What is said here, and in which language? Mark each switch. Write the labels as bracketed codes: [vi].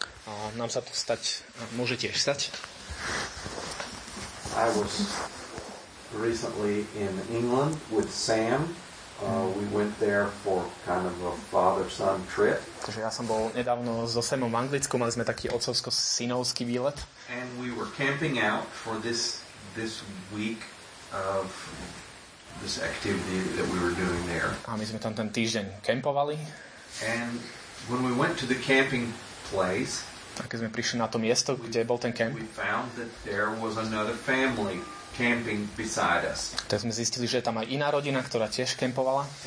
[sk] A nám sa to stať, môže tiež stať. [en] I was recently in England with Sam. We went there for kind of a father-son trip. [sk] Takže ja som bol nedávno so Samom v Anglicku, mali sme taký otcovsko-synovský výlet. [en] And we were camping out for this week of this activity that we were doing there. [sk] A my sme tam ten týždeň kempovali. [en] And when we went to the camping place, [sk] tak keď sme prišli na to miesto, kde bol ten kemp, tak sme zistili, že tam aj iná rodina, ktorá tiež kempovala.